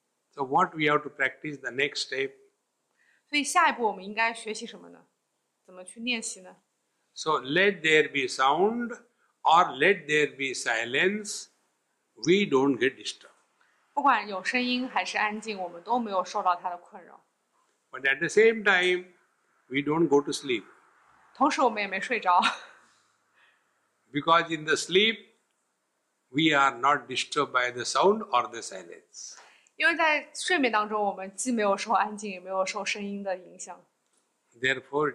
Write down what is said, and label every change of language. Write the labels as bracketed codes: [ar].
[en] So what we have to practice the next step? [zh] 所以下一步我们应该学习什么呢? 怎么去练习呢? [en] So let there be sound or let there be silence, we don't get disturbed. [zh] 不管有声音还是安静，我们都没有受到它的困扰。 [en] But at the same time, we don't go to sleep. [zh] 同时我们也没睡着。 [en] Because in the sleep, we are not disturbed by the sound or the silence. [zh] 因为在睡眠当中，我们既没有受安静，也没有受声音的影响。 [en] Therefore,